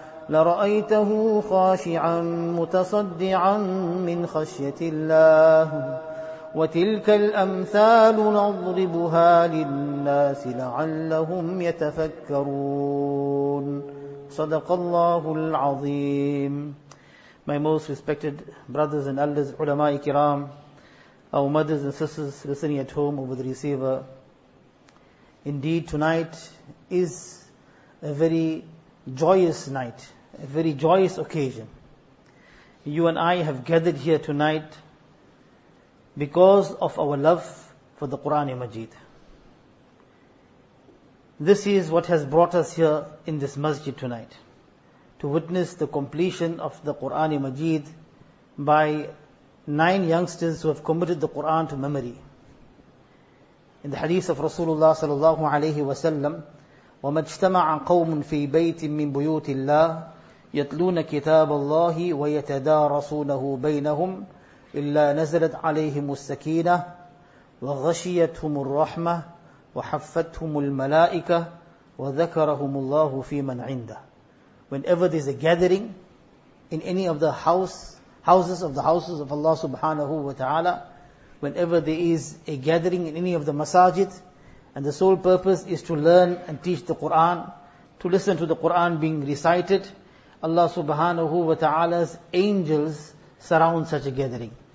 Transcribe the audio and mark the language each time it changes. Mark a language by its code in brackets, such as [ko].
[ar] لرأيته خاشعا متصدعا من خشية الله وتلك الأمثال نضربها للناس لعلهم يتفكرون صدق الله العظيم. [en] My most respected brothers and elders, ulama-i kiram, our mothers and sisters listening at home over the receiver, indeed tonight is a very joyous night, a very joyous occasion. You and I have gathered here tonight because of our love for the Qur'an Majeed. This is what has brought us here in this masjid tonight, to witness the completion of the Qur'an Majeed by 9 youngsters who have committed the Qur'an to memory. In the hadith of Rasulullah sallallahu alayhi wa sallam, [ar] وَمَجْتَمَعَ قَوْمٌ فِي بَيْتٍ مِّن بُيُوتِ اللَّهِ يَتْلُونَ كِتَابَ اللَّهِ وَيَتَدَارَسُونَهُ بَيْنَهُمْ إِلَّا نَزَلَتْ عَلَيْهِمُ السَّكِينَةِ وَغَشِيَتْهُمُ الرَّحْمَةِ وَحَفَّتْهُمُ الْمَلَائِكَةِ وَذَكَرَهُمُ اللَّهُ فِي مَنْ عِنْدَهِ. [en] Whenever there's a gathering in any of the houses of Allah subhanahu wa ta'ala, whenever there is a gathering in any of the masajid, and the sole purpose is to learn and teach the Qur'an, to listen to the Qur'an being recited, Allah subhanahu wa ta'ala's angels surround such a gathering.